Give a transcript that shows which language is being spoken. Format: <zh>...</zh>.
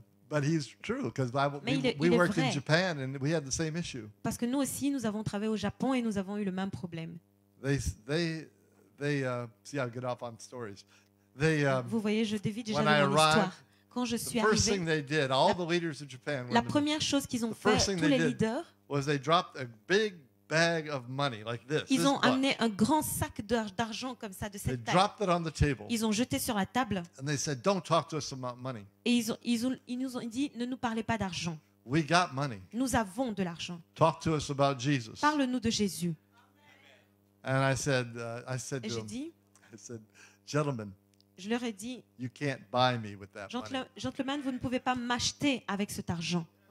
<en>But he's true because we worked in Japan and we had the same issue.</en> <fr>Parce que nous aussi nous avons travaillé au Japon et nous avons eu le même problème.</fr> <en>See, I'll get off on stories.</en> <fr>Vous voyez, je dévie déjà de l'histoire. Quand je suis arrivé,</fr> <en>first thing they did, all the leaders of Japan,</en> <fr>la première chose qu'ils ont fait, tous les leaders,</fr> <en>was they dropped a big bag of money like this.</en> <fr>Ils ont amené un grand sac d'argent comme ça de cette taille.</fr> <en>They dropped it on the table.</en> <fr>Ils ont jeté sur la table.</fr> <en>And they said, "Don't talk to us about money."</en> <fr>Et ils nous ont dit, ne nous parlez pas d'argent.</fr> <en>We got money.</en> <fr>Nous avons de l'argent.</fr> <en>Talk to us about Jesus.</en> <fr>Parle-nous de Jésus.</fr> <en>And I said to them, I said, "Gentlemen."</en> <fr>Je leur ai dit,</fr> <en>"You can't buy me with that money."</en> <fr>Gentlemen, vous ne pouvez pas m'acheter avec cet argent.</fr>